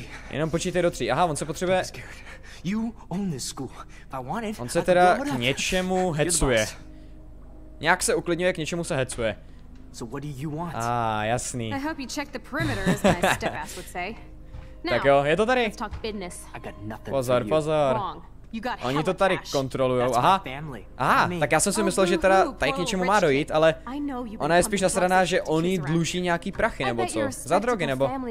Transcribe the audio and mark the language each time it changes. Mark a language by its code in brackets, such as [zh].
[cs] Jenom počítej do tří, aha, on se potřebuje... [en] You own this school. If I wanted, [cs] on se teda k něčemu hecuje. Nějak se uklidňuje, k něčemu se hecuje. [en] So what do you want? [cs] Ah, jasný. [en] I hope you check the perimeter, as my step-ass would say. [cs] Now, tak jo, je to tady. Pozor. Oni to tady kontrolujou, aha, tak já jsem si myslel, že teda tady k něčemu má dojít, ale ona je spíš nasraná, že oni dluží nějaký prachy nebo co, za drogy nebo.